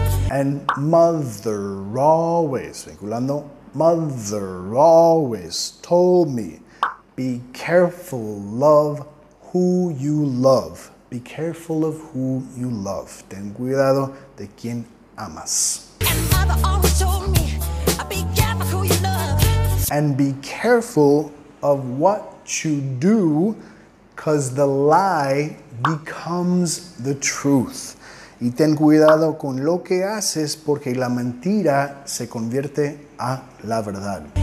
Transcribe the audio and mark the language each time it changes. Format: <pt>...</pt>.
<en>And mother always,</en> <es>vinculando,</es> <en>mother always told me, be careful, love who you love. Be careful of who you love.</en> <es>Ten cuidado de quien amas.</es> <en>And mother always told me, be careful who you love. And be careful of what you do, because the lie becomes the truth.</en> <es>Y ten cuidado con lo que haces, porque la mentira se convierte a la verdad.</es>